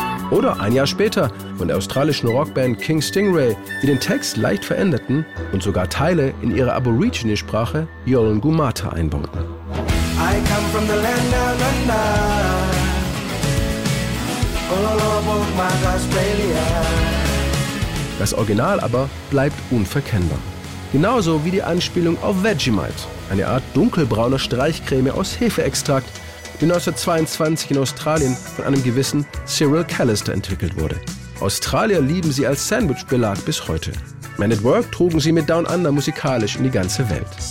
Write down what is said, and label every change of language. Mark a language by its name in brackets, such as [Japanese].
[German] Oder ein Jahr später von der australischen Rockband King Stingray, die den Text leicht veränderten und sogar Teile in ihre Aborigine-Sprache Yolun Gumata einbauten. [English] I come from the land down under, all over my Australia. [German] Das Original aber bleibt unverkennbar. Genauso wie die Anspielung auf Vegemite, eine Art dunkelbrauner Streichcreme aus Hefeextrakt, die 1922 in Australien von einem gewissen Cyril Callister entwickelt wurde. Australier lieben sie als Sandwich-Belag bis heute. Man at Work trugen sie mit Down Under musikalisch in die ganze Welt.